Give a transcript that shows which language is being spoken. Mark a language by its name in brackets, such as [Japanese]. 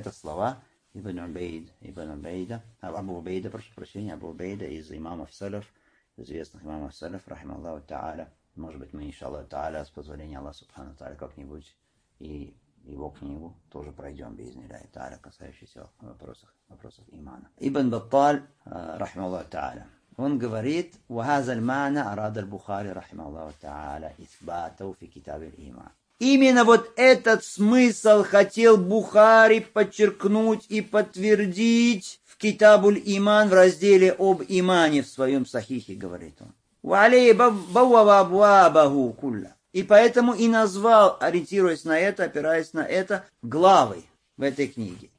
[Russian] Это слова Абу Убейда из имамов салаф, известных имамов салаф, рахима Аллаху та'аля. Может быть, мы, иншаллаху та'аля, с позволения Аллаха субхана та'аля, как-нибудь и его книгу тоже пройдем, бизнилляхи та'аля, касающиеся вопросов имана. Ибн Батталь, рахима Аллаху та'аля, он говорит, [Arabic] وَهَذَا الْمَعْنَا أَرَادَ الْبُخَارِ رَحِمَ اللَّهُ تَعَالَى إِثْبَاتَهُ فِي كِتَابِ الْإِيمَانِ. [Russian] Именно вот этот смысл хотел Бухари подчеркнуть и подтвердить в Китабуль-Иман, в разделе об имане в своем сахихе, говорит он. И поэтому и назвал, ориентируясь на это, опираясь на это, главы в этой книге.